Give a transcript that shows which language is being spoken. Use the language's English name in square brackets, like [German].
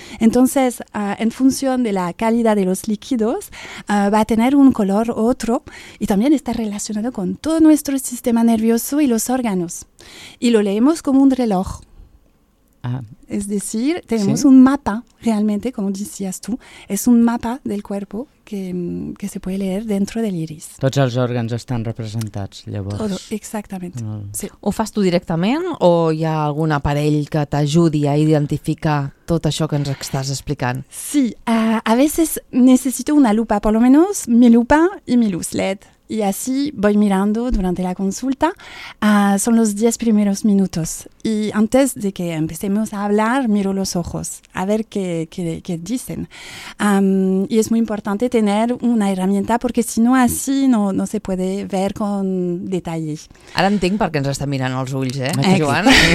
[Spanish] Entonces, en función de la calidad de los líquidos, va a tener un color u otro y también está relacionado con todo nuestro sistema nervioso y los órganos. Y lo leemos como un reloj. Ah. Es decir, tenemos un mapa, realmente, como decías tú, es un mapa del cuerpo que se puede leer dentro del iris. [Catalan] Tots els òrgans estan representats, llavors. [Spanish] Todo, exactament. Mm. Sí. [Catalan] Ho fas tu directament o hi ha algun aparell que t'ajudi a identificar tot això que ens estàs explicant? [Spanish] Sí, a veces necesito una lupa, por lo menos mi lupa y mi luz LED. Y así voy mirando durante la consulta, son los 10 primeros minutos. Y antes de que empecemos a hablar, miro los ojos, a ver qué dicen. Y es muy importante tener una herramienta, porque si no, así no se puede ver con detalle. [Catalan] Ahora entenc perquè ens està mirant els ulls, Joan.